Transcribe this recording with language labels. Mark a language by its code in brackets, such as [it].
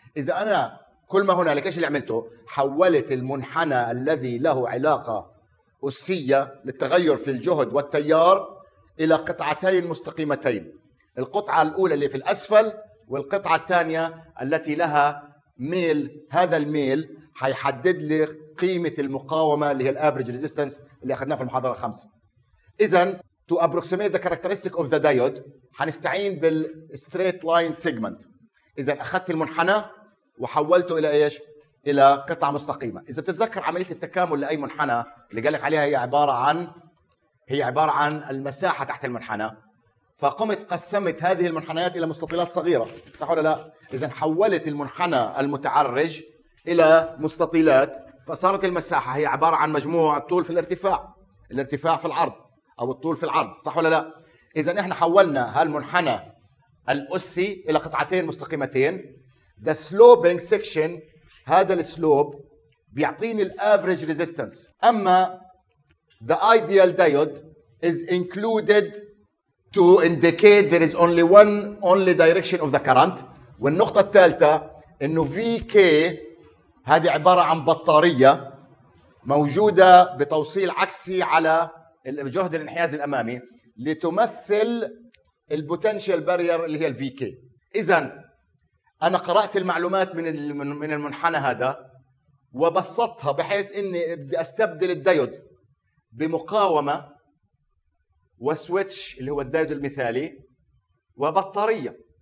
[ar] إذا أنا كل ما هنالك ايش اللي عملته؟ حولت المنحنى الذي له علاقة أسية للتغير في الجهد والتيار إلى قطعتين مستقيمتين، القطعة الأولى اللي في الأسفل والقطعة الثانية التي لها ميل، هذا الميل حيحدد لي قيمة المقاومة اللي هي الأفريج ريزيستنس اللي أخذناه في المحاضرة الخامسة. إذن [en] to approximate the characteristic of the diode [ar] حنستعين بالستريت لاين سيجمنت. إذن أخذت المنحنى وحولته إلى إيش؟ إلى قطعة مستقيمة. إذا بتتذكر عملية التكامل لأي منحنى اللي قالك عليها هي عبارة عن المساحة تحت المنحنى، فقمت قسمت هذه المنحنيات إلى مستطيلات صغيرة، صح ولا لا؟ إذا حولت المنحنى المتعرج إلى مستطيلات، فصارت المساحة هي عبارة عن مجموع الطول في الارتفاع، الارتفاع في العرض أو الطول في العرض، صح ولا لا؟ إذا إحنا حولنا هالمنحنى الأسي إلى قطعتين مستقيمتين، [en] the sloping section [ar] هذا السلوب بيعطيني الأفريج ريزيستنس. أما [en] the ideal diode is included to indicate there is only one only direction of the current. [ar] والنقطة الثالثة إنه VK هذه عبارة عن بطارية موجودة بتوصيل عكسي على الجهد الانحيازي الأمامي لتمثل البوتنشال بارير اللي هي VK. إذن أنا قرأت المعلومات من المنحنى هذا وبسطتها بحيث إني بدي أستبدل الديود بمقاومة وسويتش اللي هو الدايود المثالي وبطارية.